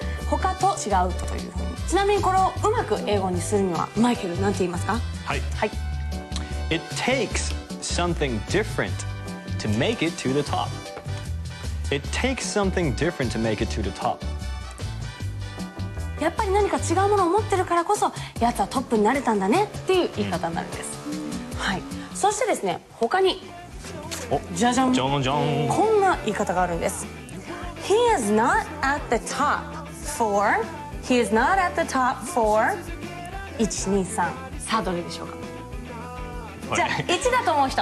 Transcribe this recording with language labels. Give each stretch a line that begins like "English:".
Japanese: 他と違うというふうに。ちなみにこれをうまく英語にするには、マイケル、なんて言いますか？はい。はい。
English: It takes something different to make it to the top. It takes something different to make it to the top.
Japanese: やっぱり何か違うものを持ってるからこそやつはトップになれたんだねっていう言い方になるんです、うん、はい。そしてですね、他にジャジャン、ジョンジョン、こんな言い方があるんです。
English: He is not at the top for He is not at the top for 1,2,3
Japanese: さあどれでしょうか、はい、じゃあ1だと思う人、